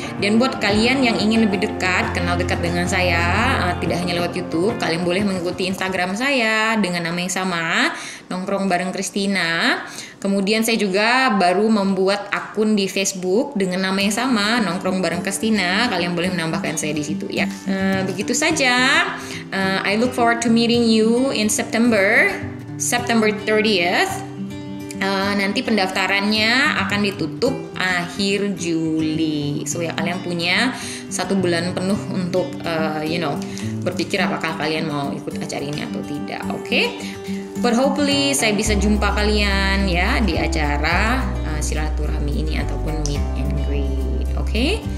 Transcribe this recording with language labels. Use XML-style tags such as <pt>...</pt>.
<id>Dan buat kalian yang ingin lebih dekat, kenal dekat dengan saya, tidak hanya lewat YouTube, kalian boleh mengikuti Instagram saya dengan nama yang sama, Nongkrong Bareng Christina. Kemudian saya juga baru membuat akun di Facebook dengan nama yang sama, Nongkrong Bareng Christina. Kalian boleh menambahkan saya di situ ya. Begitu saja.</id> <en>I look forward to meeting you in September 30th.</en> <id>Nanti pendaftarannya akan ditutup akhir Juli. So ya, kalian punya 1 bulan penuh untuk berpikir apakah kalian mau ikut acara ini atau tidak. Oke. Okay? But hopefully saya bisa jumpa kalian ya di acara silaturahmi ini ataupun meet and greet. Oke? Okay?</id>